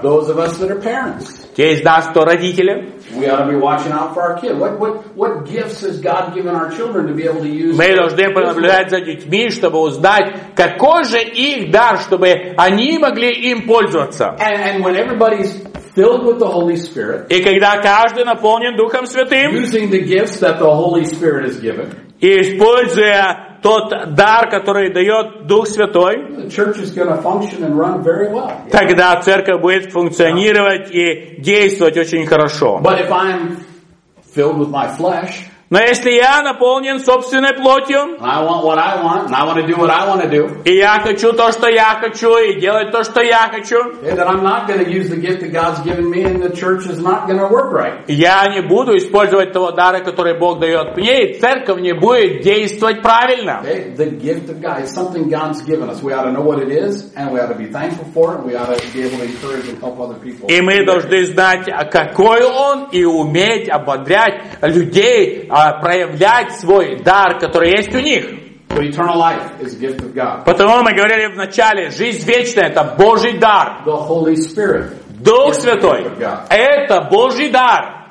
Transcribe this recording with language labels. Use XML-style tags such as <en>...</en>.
<en>Those of us that are parents,</en> <ru>те из нас, кто родители,</ru> <en>we ought to be watching out for our kids. What gifts has God given our children to be able to use?</en> <ru>Мы должны понаблюдать за детьми, чтобы узнать, какой же их дар, чтобы они могли им пользоваться.</ru> <en>And when everybody's filled with the Holy Spirit,</en> <ru>и когда каждый наполнен Духом Святым,</ru> <en>using the gifts that the Holy Spirit has given,</en> <ru>и используя тот дар, который дает Дух Святой,</ru> <en>well.</en> <ru>Тогда церковь будет функционировать и действовать очень хорошо.</ru> <en>But if I'm filled with my flesh,</en> <ru>но если я наполнен собственной плотью,</ru> <en>I want to do what I want to do,</en> <ru>и я хочу то, что я хочу, и делать то, что я хочу, я не буду использовать того дара, который Бог дает мне, и церковь не будет действовать правильно.</ru> <en>The gift of God is something God's given us. We ought to know what it is, and we ought to be thankful for it. We ought to be able to encourage and help other people.</en> <ru>И мы должны знать, какой он, и уметь ободрять людей, проявлять свой дар, который есть у них.</ru> <en>So eternal life is a gift of God.</en> <ru>Потому мы говорили в начале, жизнь вечная — это Божий дар.</ru> <en>The Holy Spirit.</en> <ru>Дух Святой. Это Божий дар.</ru>